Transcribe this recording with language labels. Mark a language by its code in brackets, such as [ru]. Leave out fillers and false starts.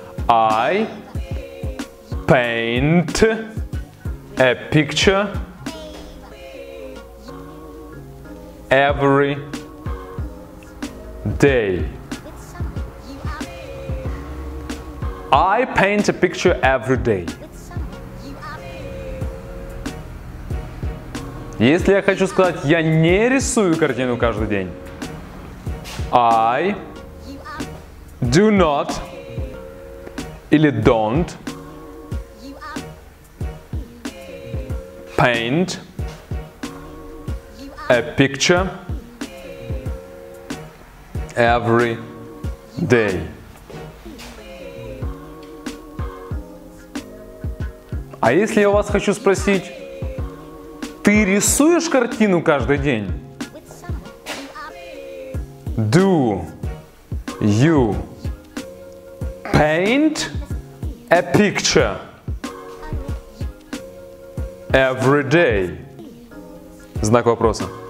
[en] I paint a picture every day. I paint a picture every day. [ru] Если я хочу сказать, я не рисую картину каждый день. [en] I do not [ru] или [en] don't paint a picture every day. [ru] А если я вас хочу спросить, ты рисуешь картину каждый день? [en] Do you paint a picture every day? [ru] Знак вопроса.